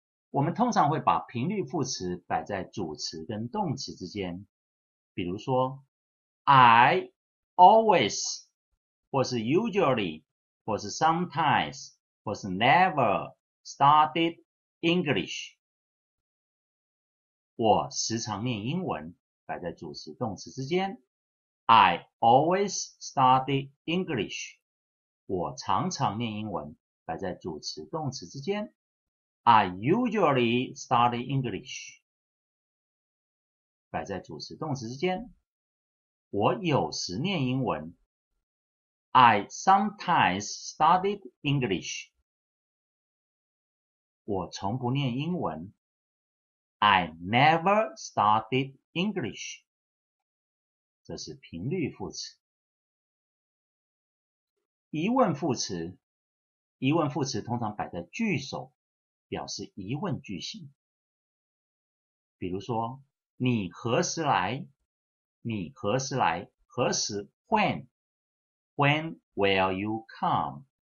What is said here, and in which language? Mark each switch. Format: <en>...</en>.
<zh>我们通常会把频率副词摆在主词跟动词之间，比如说 I always 或是 usually 或是 sometimes 或是</zh> <en>never studied English，</en> <zh>我时常念英文，摆在主词动词之间。</zh> <en>I always study English.</en> <zh>我常常念英文，摆在主词动词之间。</zh> <en>I usually study English.</en> <zh>摆在主词动词之间。我有时念英文。</zh> <en>I sometimes study English.</en> <zh>我从不念英文。</zh> <en>I never studied English.</en> <zh>这是频率副词。疑问副词，疑问副词通常摆在句首，表示疑问句型。比如说，你何时来？你何时来？何时</zh> <en>？When？ When will you come？</en>